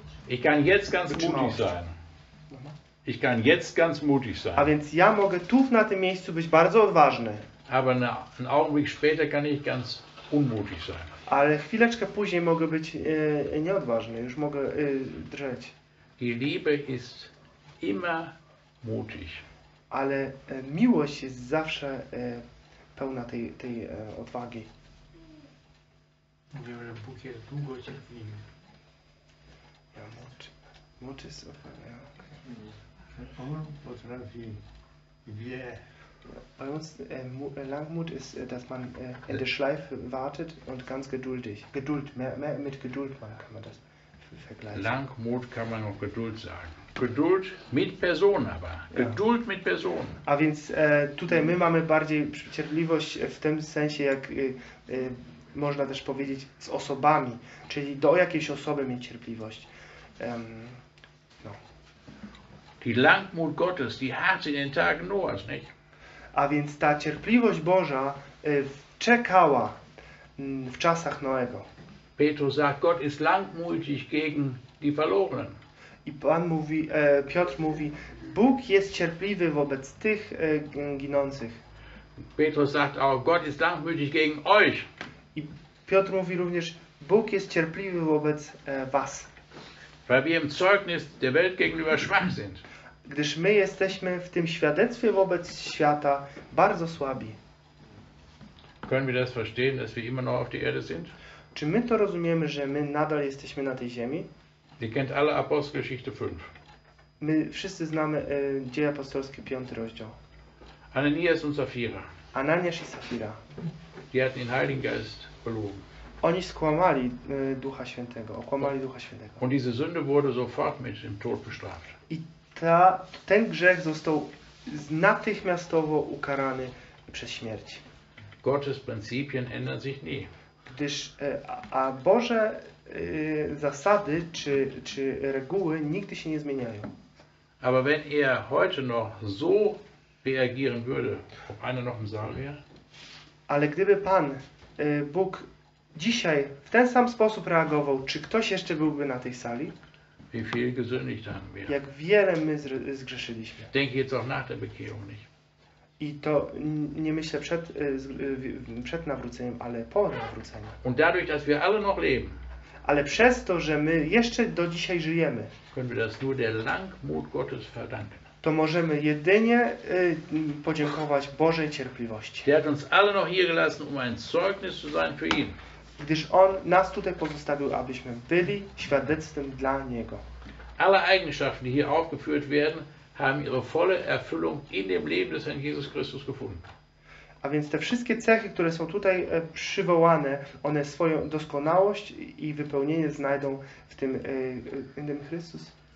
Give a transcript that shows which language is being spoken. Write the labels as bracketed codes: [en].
[de] Ich kann jetzt ganz mutig sein. Ich kann jetzt ganz mutig sein. [pl] A więc ja mogę tu na tym miejscu być bardzo odważny. [de] Aber einen Augenblick später kann ich ganz unmutig sein. [pl] Ale chwileczkę później mogę być nieodważny, już mogę drżeć. [de] Die Liebe ist immer mutig. [pl] Ale miłość jest zawsze pełna tej odwagi. Mówię, że Bóg jest długo cierpliwy. Ja mucz jest odwagi. On potrafi, wie. [de] Bei uns Langmut ist, dass man in der Schleife wartet und ganz geduldig. Geduld, mehr mit Geduld kann man das vergleichen. Langmut kann man auch Geduld sagen. Geduld mit Person aber. Ja. Geduld mit Person. [pl] A więc tutaj my mamy bardziej cierpliwość w tym sensie, jak można też powiedzieć, z osobami. Czyli do jakiejś osoby mieć cierpliwość. [de] Die Langmut Gottes, die hat in den Tagen Noahs, nicht? [pl] A więc ta cierpliwość Boża czekała w czasach Noego. [de] Petrus sagt, Gott ist langmütig gegen die Verlorenen. [pl] I Pan mówi, Piotr mówi, Bóg jest cierpliwy wobec tych ginących. [de] Petrus sagt auch, Gott ist langmütig gegen euch. [pl] I Piotr mówi również, Bóg jest cierpliwy wobec was. [de] Weil wir im Zeugnis der Welt gegenüber schwach sind. [pl] Gdyż my jesteśmy w tym świadectwie wobec świata bardzo słabi. [de] Können wir das verstehen, dass wir immer noch auf der Erde sind? [pl] Czy my to rozumiemy, że my nadal jesteśmy na tej ziemi? [de] Ihr kennt alle Apostelgeschichte 5. [pl] My wszyscy znamy Dzieje Apostolskie 5 rozdział. [de] Ananias und Safira. [pl] Ananias i Safira. [de] Die hatten den Heiligen Geist belogen. [pl] Oni skłamali Ducha Świętego, okłamali Ducha Świętego. [de] Und diese Sünde wurde sofort mit dem Tod bestraft. [pl] I ta, ten grzech został natychmiastowo ukarany przez śmierć. [de] Gottes Prinzipien ändern sich nie. [pl] Gdyż, a Boże zasady czy reguły nigdy się nie zmieniają. [de] Aber wenn er heute noch so reagieren würde, ob einer noch im Saal wäre? [pl] Ale gdyby Pan Bóg dzisiaj w ten sam sposób reagował, czy ktoś jeszcze byłby na tej sali? [de] Wie viel gesündigt haben wir? [pl] Jak wiele my zgrzeszyliśmy. [de] Denke jetzt auch nach der Bekehrung nicht. [pl] I to nie myślę przed nawróceniem, ale po nawróceniu. [de] Und dadurch, dass wir alle noch leben. [pl] Ale przez to, że my jeszcze do dzisiaj żyjemy. [de] Können wir das nur der Langmut Gottes verdanken. [pl] To możemy jedynie podziękować Bożej cierpliwości. [de] Der hat uns alle noch hier gelassen, um ein Zeugnis zu sein für ihn. [pl] Gdyż On nas tutaj pozostawił, abyśmy byli świadectwem dla Niego. [de] Alle Eigenschaften, die hier aufgeführt werden, haben ihre volle Erfüllung in dem Leben des Herrn Jesus Christus gefunden. [pl] A więc te wszystkie cechy, które są tutaj przywołane, one swoją doskonałość i wypełnienie znajdą w tym innym Chrystus.